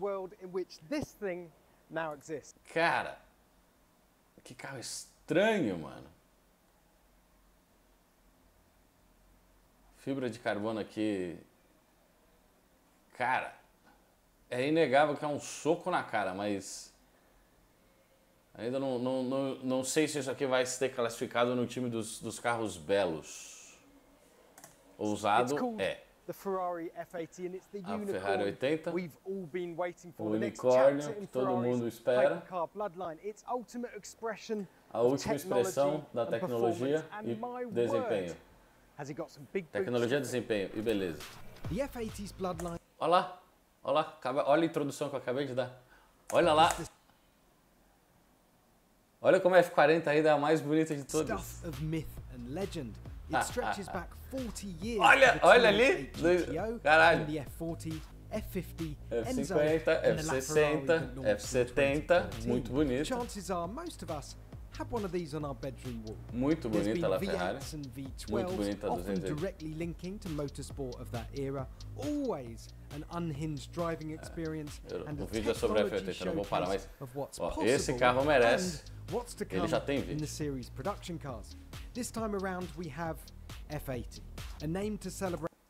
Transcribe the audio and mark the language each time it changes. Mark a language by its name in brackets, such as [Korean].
[English] world in which this thing now exists. [Portuguese] Cara, que carro estranho, mano. Fibra de carbono aqui. Cara, é inegável que é um soco na cara, mas Ainda não sei se isso aqui vai ser classificado no time dos carros belos. Ousado é. [English] The Ferrari F80, and it's the unicorn. [Portuguese] A Ferrari 80. [English] We've all been waiting for [Portuguese] o unicórnio que todo mundo espera. [English] It's ultimate expression [Portuguese] a última expressão da tecnologia e desempenho. [English] Has it got some big [Portuguese] tecnologia, desempenho e beleza. [English] The F80's bloodline. [Portuguese] Olá, olá, olha a introdução que eu acabei de dar. Olha lá. Olha como a F40 ainda é a mais bonita de todas. [English] Stuff of myth and legend. It stretches back 40 years. [Portuguese] Olha, olha ali. GTO, caralho. [English] The F40, F50, [Portuguese] F50, F60, F70, muito bonito. [English] Chances are most of us have one of these on our bedroom wall. [Portuguese] Muito bonita a Ferrari. Muito bonita a 208. [English] Directly linking to motorsport of that era, always an unhinged driving experience [Portuguese] and o vídeo é sobre a F80, não vou parar mais. Esse carro merece. [English] What's to come [Portuguese] ele já tem vídeo. [English] In the series production cars. This time around we have F80, a name to celebrate.